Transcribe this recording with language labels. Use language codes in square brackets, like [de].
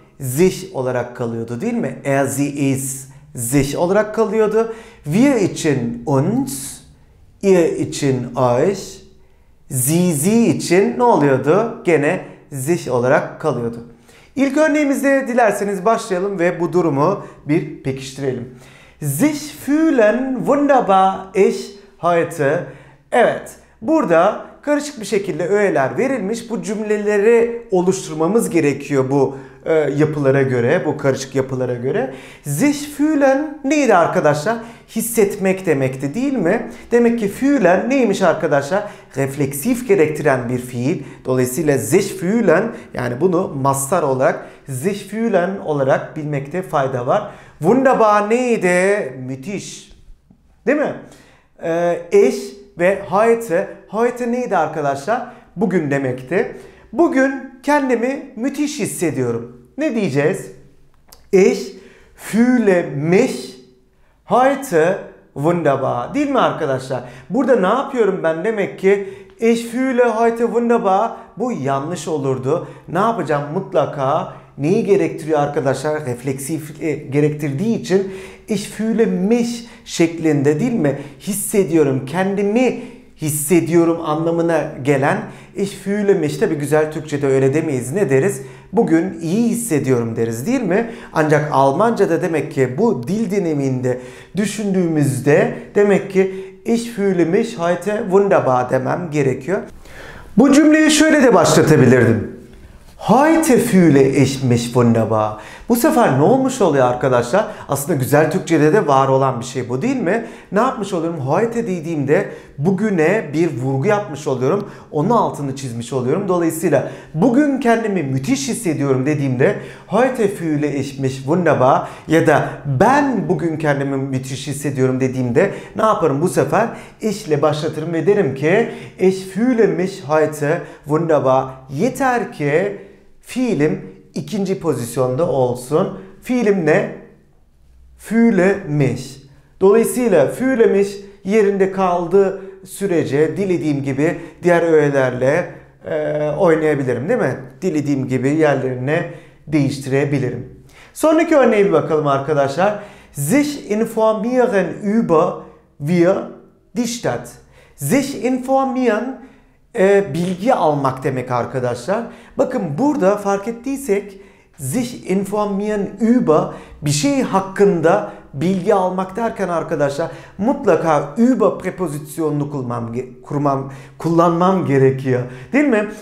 [tr] Sich olarak kalıyordu. Değil mi? [de] Er, sie, es. [tr] Sich olarak kalıyordu. Wir için uns. Ihr için euch. Sie, sie için ne oluyordu? Gene sich olarak kalıyordu. İlk örneğimizde dilerseniz başlayalım ve bu durumu bir pekiştirelim. [de] Sich fühlen wunderbar ich heute. [tr] Evet, burada karışık bir şekilde öğeler verilmiş. Bu cümleleri oluşturmamız gerekiyor bu yapılara göre, bu karışık yapılara göre. Sich fühlen neydi arkadaşlar? Hissetmek demekti değil mi? Demek ki fühlen neymiş arkadaşlar? Refleksif gerektiren bir fiil. Dolayısıyla sich fühlen, yani bunu mastar olarak sich fühlen olarak bilmekte fayda var. Wunderbar neydi? Müthiş. Değil mi? [de] Ich ve heute. [tr] Heute neydi arkadaşlar? Bugün demekti. Bugün kendimi müthiş hissediyorum. Ne diyeceğiz? [de] Ich fühle mich heute wunderbar. [tr] Değil mi arkadaşlar? Burada ne yapıyorum ben demek ki? [de] Ich fühle heute wunderbar. [tr] Bu yanlış olurdu. Ne yapacağım? Mutlaka neyi gerektiriyor arkadaşlar? Refleksif gerektirdiği için [de] ich fühle mich [tr] şeklinde değil mi? Hissediyorum. Kendimi hissediyorum anlamına gelen [de] ich fühle mich. [tr] Tabii güzel Türkçe'de öyle demeyiz. Ne deriz? Bugün iyi hissediyorum deriz değil mi? Ancak Almanca'da demek ki bu dil dinamiğinde düşündüğümüzde demek ki [de] ich fühle mich heute wunderbar [tr] demem gerekiyor. Bu cümleyi şöyle de başlatabilirdim. [de] Heute fühle ich mich wunderbar. [tr] Bu sefer ne olmuş oluyor arkadaşlar? Aslında güzel Türkçe'de de var olan bir şey bu değil mi? Ne yapmış oluyorum? Heute dediğimde bugüne bir vurgu yapmış oluyorum. Onun altını çizmiş oluyorum. Dolayısıyla bugün kendimi müthiş hissediyorum dediğimde [de] heute fühle ich mich wunderbar [tr] ya da ben bugün kendimi müthiş hissediyorum dediğimde ne yaparım bu sefer? Ich ile başlatırım ve derim ki [de] ich fühle mich heute wunderbar. [tr] Yeter ki fiilim ikinci pozisyonda olsun. Fiilim ne? [de] Fühle mich. [tr] Dolayısıyla fühle mich yerinde kaldığı sürece dilediğim gibi diğer öğelerle oynayabilirim değil mi? Dilediğim gibi yerlerini değiştirebilirim. Sonraki örneğe bir bakalım arkadaşlar. [de] Sich informieren über wir die Stadt. [tr] Sich informieren bilgi almak demek arkadaşlar. Bakın burada fark ettiysek [de] sich informieren über [tr] bir şey hakkında bilgi almak derken arkadaşlar mutlaka über prepozisyonunu kullanmam gerekiyor. Değil mi?